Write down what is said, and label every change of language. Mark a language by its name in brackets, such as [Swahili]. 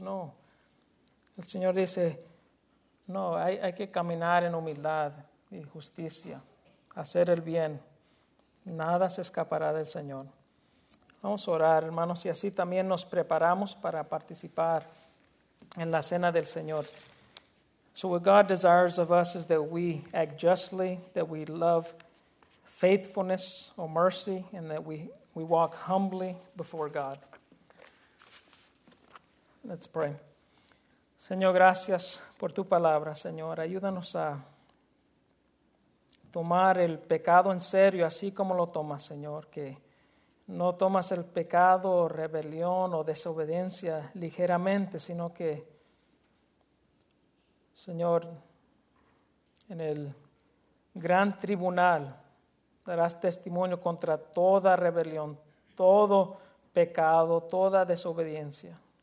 [Spanish] No, el Señor dice, no, hay que caminar en humildad y justicia. Hacer el bien, nada se escapará del Señor. Vamos a orar, hermanos, y así también nos preparamos para participar en la cena del Señor. [English] So what God desires of us is that we act justly, that we love faithfulness or mercy, and that we walk humbly before God. Let's pray. [Spanish] Señor, gracias por tu palabra, Señor. Ayúdanos a tomar el pecado en serio, así como lo tomas, Señor, que no tomas el pecado, rebelión o desobediencia ligeramente, sino que, Señor, en el gran tribunal darás testimonio contra toda rebelión, todo pecado, toda desobediencia.